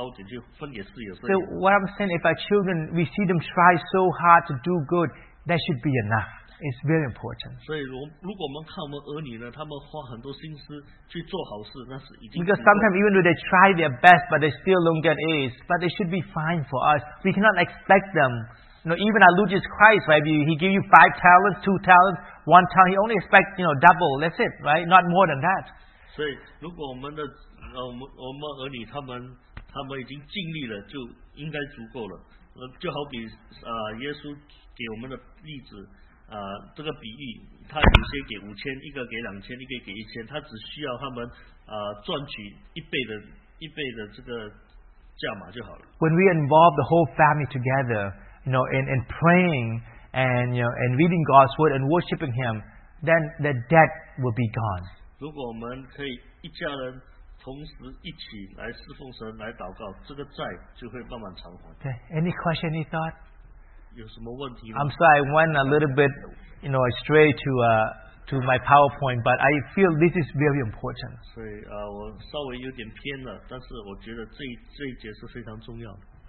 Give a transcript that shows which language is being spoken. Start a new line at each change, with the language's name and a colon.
English: So what I'm saying, if our children, we see them try so hard to do good, that should be enough. It's very important.
Chinese: 所以如果我们看我们儿女呢，他们花很多心思去做好事，那是已经。
English: Because sometimes even though they try their best, but they still don't get A's, but it should be fine for us. We cannot expect them. You know, even our Lord Jesus Christ, right? He give you 5 talents, 2 talents, 1 talent. He only expect, you know, double. That's it, right? Not more than that.
Chinese: 所以如果我们的我们儿女他们已经尽力了，就应该足够了。就好比耶稣给我们的例子这个比喻，他有些给5000，一个给2000，一个给1000，他只需要他们赚取一倍的这个价码就好了。
English: When we involve the whole family together, you know, in praying and you know, and reading God's word and worshiping Him, then the debt will be gone.
Chinese: 如果我们可以一家人同时一起来侍奉神，来祷告，这个债就会慢慢偿还。
English: Okay, any question, any thought?
Chinese: 有什么问题吗？
English: I'm sorry, I went a little bit, you know, astray to my PowerPoint, but I feel this is very important.
Chinese: 所以我稍微有点偏了，但是我觉得这一节是非常重要的。